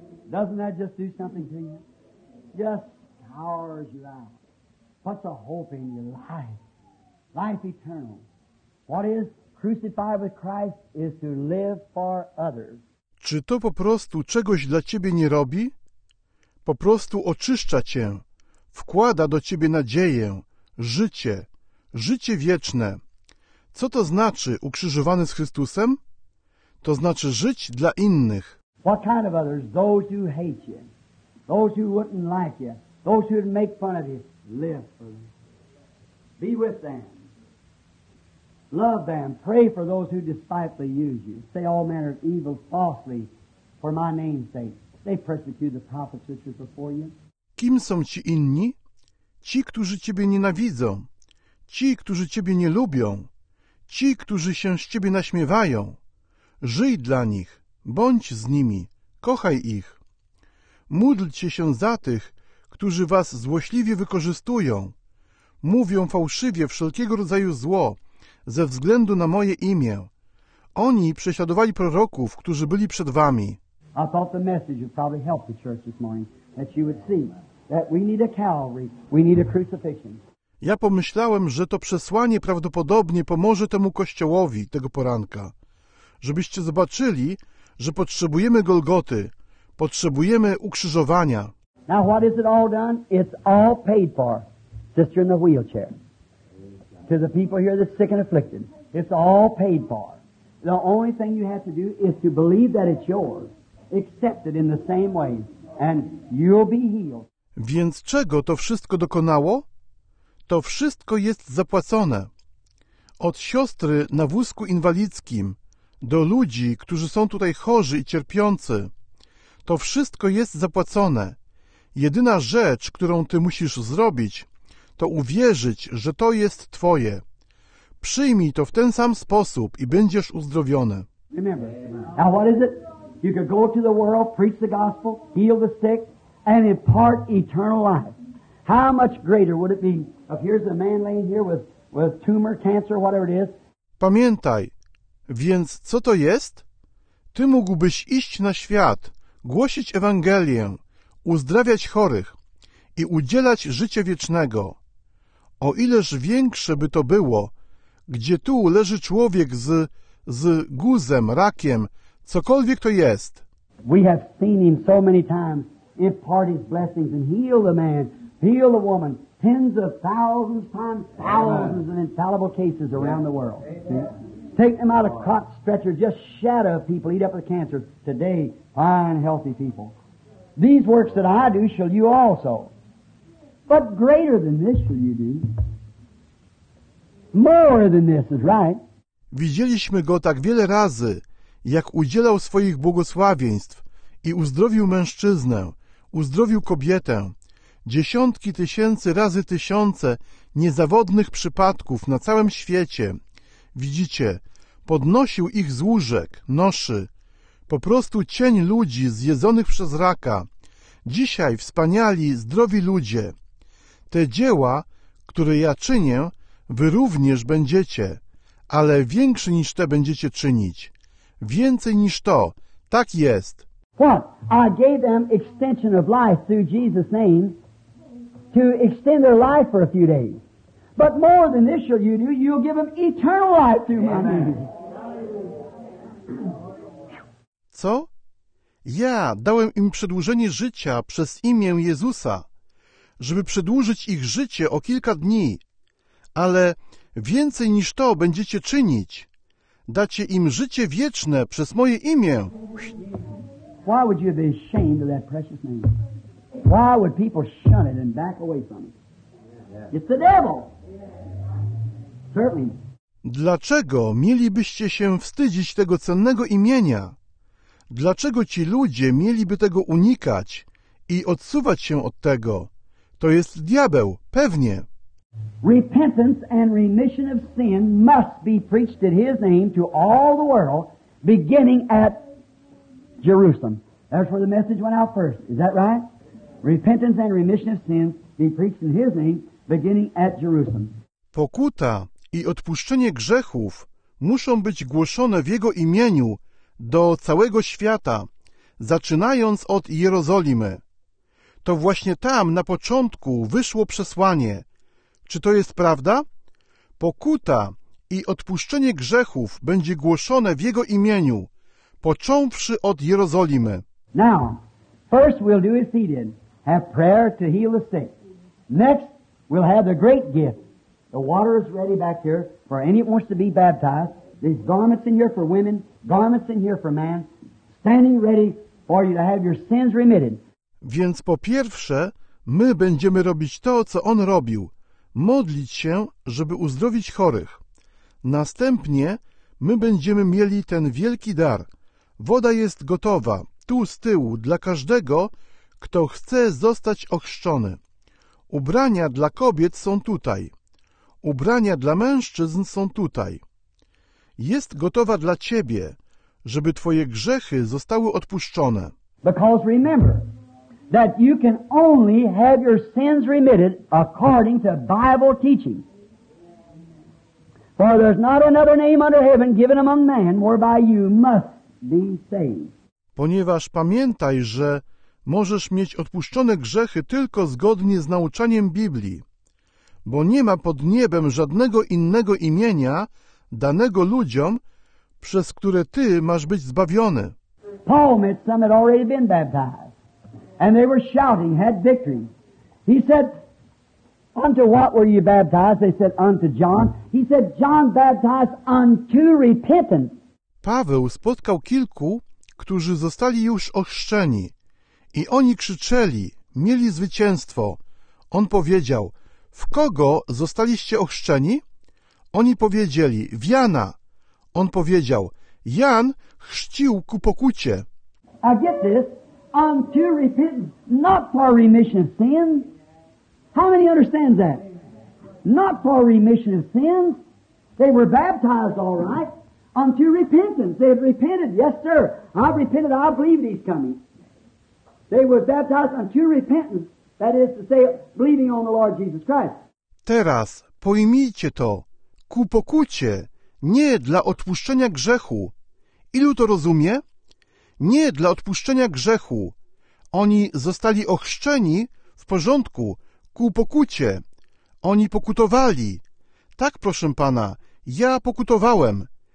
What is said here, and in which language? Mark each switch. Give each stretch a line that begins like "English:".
English: Doesn't that just do something to you? Just powers you out. Puts a hope in your life. Life eternal. What is crucified with Christ is to live for others.
Polish: Czy to po prostu czegoś dla ciebie nie robi? Po prostu oczyszcza cię, wkłada do ciebie nadzieję, życie, życie wieczne. Co to znaczy ukrzyżowany z Chrystusem? To znaczy żyć dla innych.
English: What kind of others? Those who hate you. Those who wouldn't like you. Those who would make fun of you. Live for them. Be with them. Love them. Pray for those who despitefully use you. Say all manner of evil falsely for my name's sake. They persecute the prophets which were before you.
Polish: Kim są ci inni? Ci, którzy ciebie nienawidzą. Ci, którzy ciebie nie lubią. Ci, którzy się z ciebie naśmiewają. Żyj dla nich. Bądź z nimi, kochaj ich. Módlcie się za tych, którzy was złośliwie wykorzystują. Mówią fałszywie wszelkiego rodzaju zło ze względu na moje imię. Oni prześladowali proroków, którzy byli przed wami.
English: I thought the message would probably help the church this morning, that you would see that we need a Calvary, we need a crucifixion.
Polish: Ja pomyślałem, że to przesłanie prawdopodobnie pomoże temu kościołowi tego poranka, żebyście zobaczyli, że potrzebujemy Golgoty, potrzebujemy ukrzyżowania.
English: Now what is it all done? It's all paid for. Sister in the wheelchair. To the people here that's sick and afflicted. It's all paid for. The only thing you have to do is to believe that it's yours. Accept it in the same way and you'll be healed.
Polish: Więc czego to wszystko dokonało? To wszystko jest zapłacone. Od siostry na wózku inwalidzkim do ludzi, którzy są tutaj chorzy i cierpiący. To wszystko jest zapłacone. Jedyna rzecz, którą ty musisz zrobić, to uwierzyć, że to jest twoje. Przyjmij to w ten sam sposób i będziesz uzdrowiony.
English: Remember. Now what is it? You could go to the world, preach the gospel, heal the sick, and impart eternal life. How much greater would it be if here's a man laying here with tumor, cancer, whatever it is.
Polish: Pamiętaj, więc co to jest? Ty mógłbyś iść na świat, głosić Ewangelię, uzdrawiać chorych i udzielać życia wiecznego. O ileż większe by to było, gdzie tu leży człowiek z guzem, rakiem, cokolwiek to jest.
English: We have seen him so many times impart his blessings and heal the man, heal the woman, tens of thousands upon thousands of infallible cases around the world. Take them out of cot stretchers, just shatter people, eat up the cancer. Today, fine, healthy people. These works that I do shall you also. But greater than this shall you do. More than this is right.
Polish: Widzieliśmy go tak wiele razy, jak udzielał swoich błogosławieństw i uzdrowił mężczyznę, uzdrowił kobietę. Dziesiątki tysięcy razy tysiące niezawodnych przypadków na całym świecie. Widzicie, podnosił ich z łóżek, noszy. Po prostu cień ludzi zjedzonych przez raka. Dzisiaj wspaniali, zdrowi ludzie. Te dzieła, które ja czynię, wy również będziecie, ale większe niż te będziecie czynić. Więcej niż to. Tak jest.
English: What? I gave them extension of life through Jesus' name to extend their life for a few days. But more than this shall you do, you'll give them eternal life through my name.
Polish: Co? Ja dałem im przedłużenie życia przez imię Jezusa, żeby przedłużyć ich życie o kilka dni. Ale więcej niż to będziecie czynić. Dacie im życie wieczne przez moje imię.
English: Why would you be ashamed of that precious name? Why would people shun it and back away from it? It's the devil. Certainly.
Polish: Dlaczego mielibyście się wstydzić tego cennego imienia? Dlaczego ci ludzie mieliby tego unikać i odsuwać się od tego? To jest diabeł, pewnie.
English: Repentance and remission of sin must be preached in his name to all the world, beginning at Jerusalem. That's where the message went out first. Is that right? Repentance and remission of sin be preached in his name, beginning at Jerusalem.
Polish: Pokuta i odpuszczenie grzechów muszą być głoszone w jego imieniu do całego świata, zaczynając od Jerozolimy. To właśnie tam na początku wyszło przesłanie. Czy to jest prawda? Pokuta i odpuszczenie grzechów będzie głoszone w jego imieniu, począwszy od Jerozolimy.
English: Now, first we'll do as he did, have prayer to heal the sick. Next, we'll have the great gift. The water is ready back here for any that wants to be baptized. These garments in here for women, garments in here for man, standing ready for you to have your sins remitted.
Polish: Więc po pierwsze, my będziemy robić to, co on robił, modlić się, żeby uzdrowić chorych. Następnie my będziemy mieli ten wielki dar. Woda jest gotowa, tu z tyłu, dla każdego, kto chce zostać ochrzczony. Ubrania dla kobiet są tutaj. Ubrania dla mężczyzn są tutaj. Jest gotowa dla ciebie, żeby twoje grzechy zostały odpuszczone.
English: Because remember that you can only have your sins remitted according to Bible teaching. For there's not another name under heaven given among man whereby you must be saved.
Polish: Ponieważ pamiętaj, że możesz mieć odpuszczone grzechy tylko zgodnie z nauczaniem Biblii, bo nie ma pod niebem żadnego innego imienia danego ludziom, przez które ty masz być zbawiony.
English: Paul met some had already been baptized, and they were shouting, had victory. He said, unto what were you baptized? They said, unto John. He said, John baptized unto repentance.
Polish: Paweł spotkał kilku, którzy zostali już ochrzczeni. I oni krzyczeli, mieli zwycięstwo. On powiedział, w kogo zostaliście ochrzczeni? Oni powiedzieli, w Jana. On powiedział, Jan chrzcił ku pokucie.
English: I get this, unto repentance, not for remission of sins. How many understand that? Not for remission of sins. They were baptized, all right. unto repentance. They've repented. Yes, sir. I've repented. I believe he's coming. They were baptized unto repentance. That is to say, believing on the Lord Jesus Christ.
Polish: Teraz pojmijcie to. Ku pokucie, nie dla odpuszczenia grzechu. Ilu to rozumie? Nie dla odpuszczenia grzechu. Oni zostali ochrzczeni w porządku, ku pokucie. Oni pokutowali. Tak, proszę Pana, ja pokutowałem.